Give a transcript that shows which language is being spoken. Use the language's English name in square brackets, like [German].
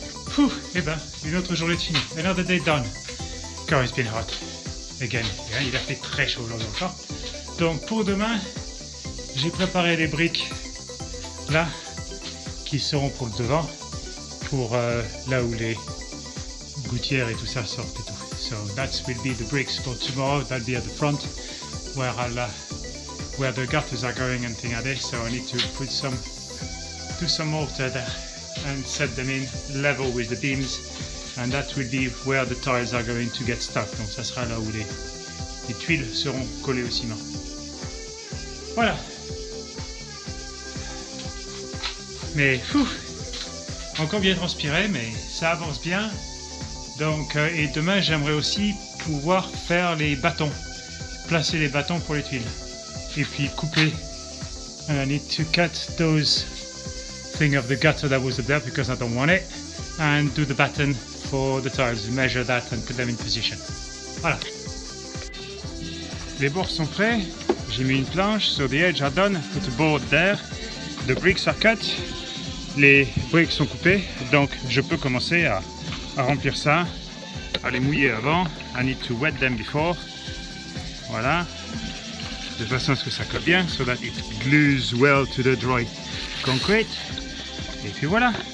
[French] Phew, et ben, une autre journée de fini. [English] Another day done. Car it's been hot. [French] Again, il a fait très chaud aujourd'hui encore. Donc pour demain, j'ai préparé les briques là, qui seront pour le devant, pour là où les gouttières et tout ça sortent et tout. [English] So that will be the bricks for tomorrow. That'll be at the front where I'll where the gutters are going and things like this. So I need to put some, do some mortar there and set them in level with the beams, and that will be where the tiles are going to get stuck. [French] Donc ça sera là où les tuiles seront collées au ciment. Voilà. Mais phew, encore bien transpiré, mais ça avance bien. Donc et demain j'aimerais aussi pouvoir faire les bâtons, placer les bâtons pour les tuiles et puis couper. [English] And I need to cut those thing of the gutter that was up there because I don't want it, and do the batten for the tiles, measure that and put them in position. [French] Voilà. Les bords sont prêts, j'ai mis une planche, [English] so the edge are done, put the board there, the bricks are cut, [French] les bricks sont coupées, donc je peux commencer à remplir ça, à les mouiller avant, [English] I need to wet them before, [French] voilà, de façon à ce que ça colle bien, [English] so that it glues well to the dry concrete, [French] et puis voilà.